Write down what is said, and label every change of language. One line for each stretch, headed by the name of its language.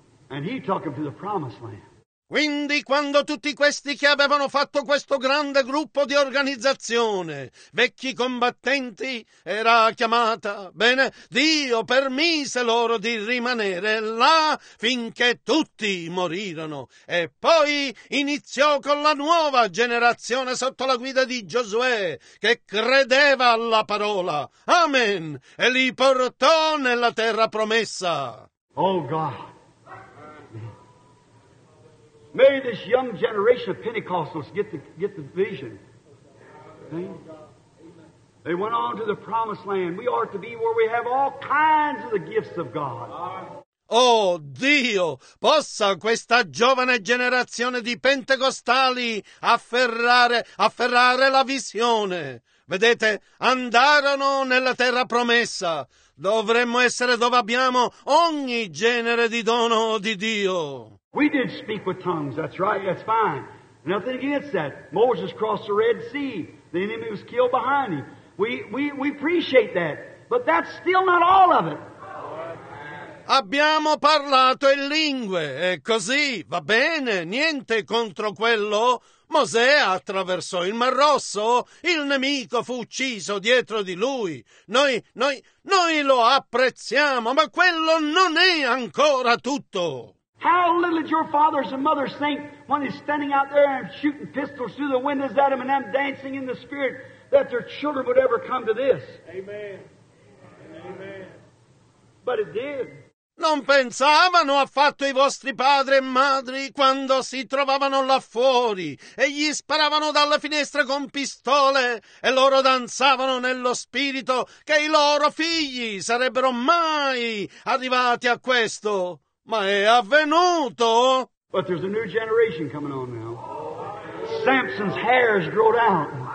English: And he took them to the promised land.
Italian: Quindi quando tutti questi che avevano fatto questo grande gruppo di organizzazione, vecchi combattenti, era chiamata, bene, Dio permise loro di rimanere là finché tutti morirono. E poi iniziò con la nuova generazione sotto la guida di Giosuè, che credeva alla parola. Amen! E li portò nella terra promessa.
English: Oh God! May this young generation of Pentecostals get the vision. Okay? They went on to the promised land. We are to be where we have all kinds of the gifts of God.
Italian: Oh Dio, possa questa giovane generazione di pentecostali afferrare la visione. Vedete, andarono nella terra promessa. Dovremmo essere dove abbiamo ogni genere di dono di Dio.
English: We did speak with tongues, that's right, that's fine. Nothing against that. Moses crossed the Red Sea. The enemy was killed behind him. We appreciate that. But that's still not all of it.
Italian: Abbiamo parlato in lingue, e così, va bene, niente contro quello. Mosè attraversò il Mar Rosso, il nemico fu ucciso dietro di lui. Noi lo apprezziamo, ma quello non è ancora tutto.
English: How little did your fathers and mothers think when he's standing out there and shooting pistols through the windows at them and them dancing in the spirit that their children would ever come to this? Amen. Amen. But it did.
Italian: Non pensavano affatto i vostri padri e madri quando si trovavano là fuori e gli sparavano dalla finestra con pistole e loro danzavano nello spirito che i loro figli sarebbero mai arrivati a questo. Ma è avvenuto!
English: But there's a new generation coming on now. Samson's hair has grown out.